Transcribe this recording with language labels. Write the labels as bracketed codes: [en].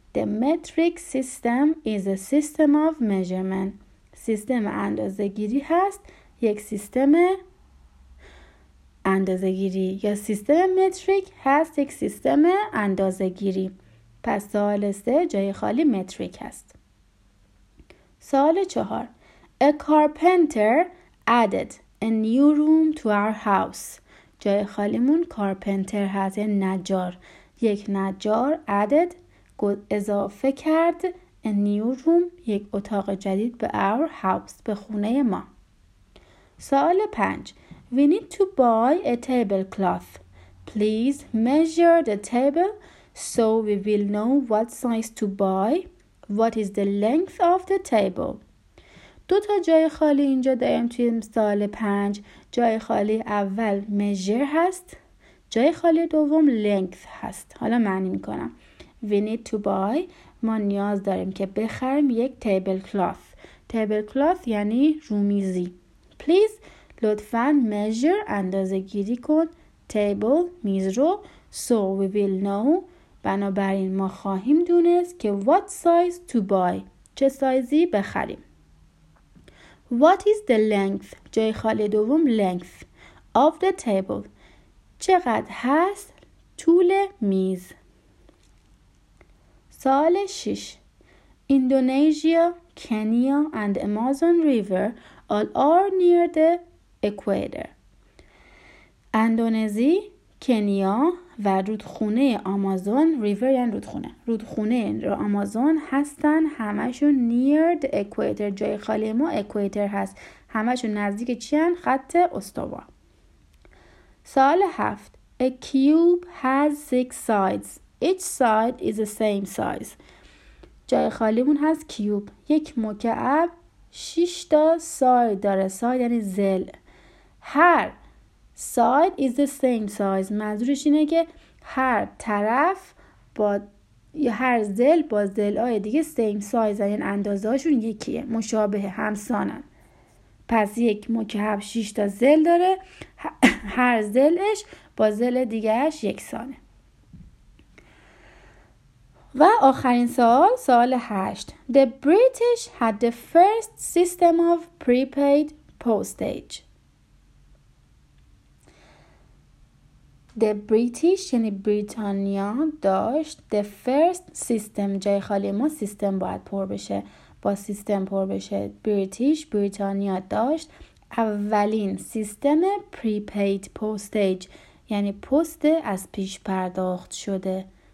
[en] The metric system is a system of measurement. [fa] سیستم اندازه گیری هست، یک سیستم اندازه گیری یا سیستم متریک هست یک سیستم اندازه گیری. پس سوال 3 جای خالی متریک هست. سوال 4، [en] A carpenter added a new room to our house. [fa] جای خالیمون کارپنتر هست، نجار. یک نجار اضافه کرد [en] a new room [fa] یک اتاق جدید به [en] our house [fa] به خونه ما. سوال 5، [en] We need to buy a tablecloth. Please measure the table so we will know what size to buy. What is the length of the table? [fa] دو تا جای خالی اینجا داریم توی سوال 5. جای خالی اول measure هست، جای خالی دوم length هست. حالا معنی میکنم. [en] We need to buy، [fa] ما نیاز داریم که بخریم یک tablecloth. Tablecloth یعنی رومیزی. Please لطفاً measure اندازه گیری کن table میز رو، [en] so we will know [fa] بنابراین ما خواهیم دونست که [en] what size to buy [fa] چه سایزی بخریم. [en] What is the length [fa] جای خالی دوم length [en] of the table، [fa] چقدر هست طول میز. سال 6، [en] Indonesia, Kenya and Amazon River all are near the Ecuador. [fa] اندونزی، کنیا و رودخونه آمازون، ریور یعنی رودخونه، رودخونه آمازون هستن همشون [en] near the equator، [fa] جای خالی ما اکوادر هست، همشون نزدیک چین خط استوا. سال 7، [en] A cube has 6 sides. Each side is the same size. [fa] جای خالیمون هست کیوب، یک مکعب 6 تا ساید داره، ساید یعنی زل. هر ساید [en] is the same size، [fa] منظورش اینه که هر طرف با یا هر ضلع با ضلعای دیگه [en] same size، [fa] یعنی اندازه هاشون یکیه، مشابه همسانن. پس یک مکعب 6 تا ضلع داره، هر ضلعش با ضلع دیگهش یکسانه. و آخرین سوال، سوال 8، [en] The British had the first system of prepaid postage. [fa] The British یعنی بریتانیا داشت [en] the first system، [fa] جای خالی ما سیستم باید پر بشه، با سیستم پر بشه. British بریتانیا داشت اولین سیستم prepaid postage، یعنی پست از پیش پرداخت شده.